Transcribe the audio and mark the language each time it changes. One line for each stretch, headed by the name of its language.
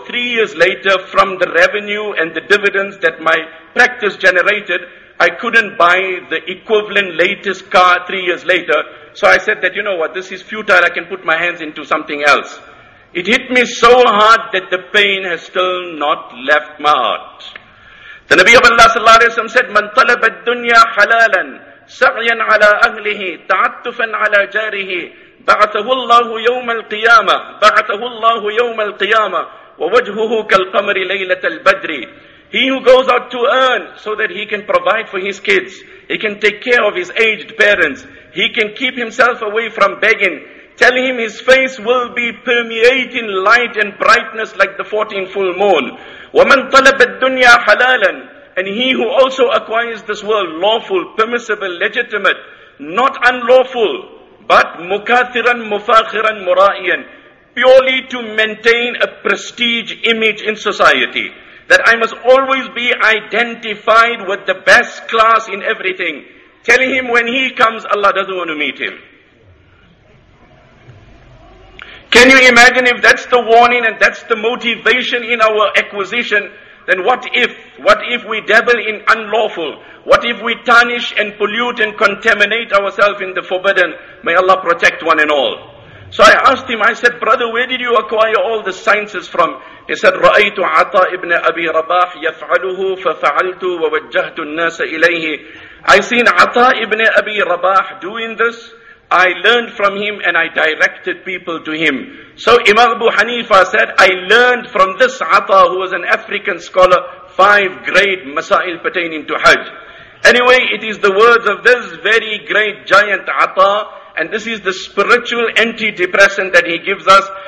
English: 3 years later, from the revenue and the dividends that my practice generated, I couldn't buy the equivalent latest car 3 years later. So I said that, you know what, this is futile, I can put my hands into something else. It hit me so hard that the pain has still not left my heart. The Nabi of Allah sallallahu alayhi wa sallam said,
Arabic: مَنْ طَلَبَ الدُّنْيَا حَلَالًا سَعْيًا عَلَىٰ أَهْلِهِ تَعَطُّفًا عَلَىٰ جَارِهِ بَعَثَهُ اللَّهُ يَوْمَ الْقِيَامَةِ بَعَثَهُ اللَّهُ يَوْمَ الْقِيَامَةِ وَوَجْهُهُ كَالْقَمَرِ لَيْلَةَ الْبَدْرِ.
English: He who goes out to earn so that he can provide for his kids, he can take care of his aged parents, he can keep himself away from begging, tell him his face will be permeating light and brightness like the 14th full moon.
Arabic: وَمَنْ طَلَبَ الدُّنْيَا حَلَالًا.
English: And he who also acquires this world lawful, permissible, legitimate, not unlawful, but
Arabic: مُكَاثِرًا مُفَاخِرًا مُرَائِيًا,
English: purely to maintain a prestige image in society. That I must always be identified with the best class in everything. Telling him when he comes, Allah doesn't want to meet him. Can you imagine if that's the warning and that's the motivation in our acquisition? Then what if we dabble in unlawful? What if we tarnish and pollute and contaminate ourselves in the forbidden? May Allah protect one and all. So I asked him, I said, brother, where did you acquire all the sciences from? He said,
Arabic: رَأَيْتُ عَطَى إِبْنَ أَبِي رَبَاحْ يَفْعَلُهُ فَفَعَلْتُ وَوَجَّهْتُ النَّاسَ إِلَيْهِ.
English: I seen عَطَى إِبْنَ أَبِي رَبَاحْ doing this. I learned from him and I directed people to him. So Imam Abu Hanifa said, I learned from this Atta, who was an African scholar, 5 great masail pertaining to Hajj. Anyway, it is the words of this very great giant Atta, and this is the spiritual antidepressant that he gives us.